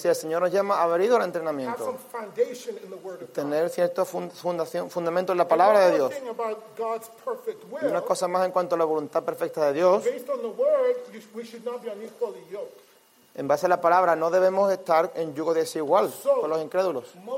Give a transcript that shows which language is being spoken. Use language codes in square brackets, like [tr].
[es] si el Señor nos llama a haber ido al entrenamiento, tener cierto fundamento en la palabra de Dios. [en] Will, [es] y una cosa más en cuanto a la voluntad perfecta de Dios. [en] Based on the word, we should not be unequally yoked. [es] En base a la palabra, no debemos estar en yugo desigual con los incrédulos.